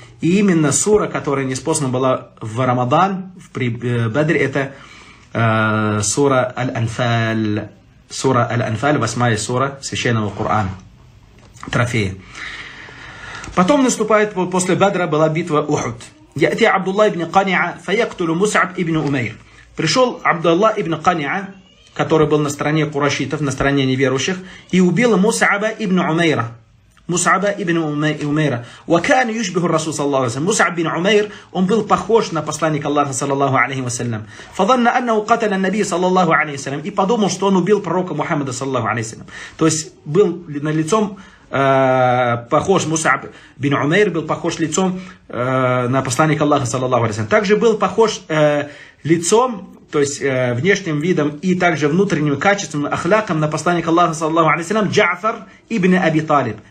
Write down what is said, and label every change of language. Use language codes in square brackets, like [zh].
[ru] И именно сура, которая ниспослана была в Рамадан, при Бадре, это сура Аль-Анфаль. Сура Аль-Анфаль, восьмая сура Священного Корана. Трофея. Потом наступает, после Бадра была битва Ухуд. [ar] يأتي عبد الله ابن قنعة فيقتل مصعب ابن أمير. [ru] Пришел Абдуллах ибн Каниа, который был на стороне курашитов, на стороне неверующих, и убил Мусаба ибн Умейра. Мусаба ибн Умейра. [ar] وكان يشبه الرسول صلى الله عليه وسلم. [ru] Мусаб ибн Умейр, он был похож на посланника Аллаха [ar] صلى الله عليه وسلم. فظن أنه قتل النبي صلى الله عليه وسلم. [ru] И подумал, что он убил пророка Мухаммада [ar] صلى الله عليه وسلم. [ru] То есть был на лицом похож, Мусаб бин Умейр был похож лицом на посланника Аллаха, саллаллаху алейхи ва саллям. Также был похож лицом, то есть внешним видом и также внутренним качеством, ахляком на посланника Аллаха, саллаллаху алейхи ва саллям, Джаафар ибн Аби Талиб.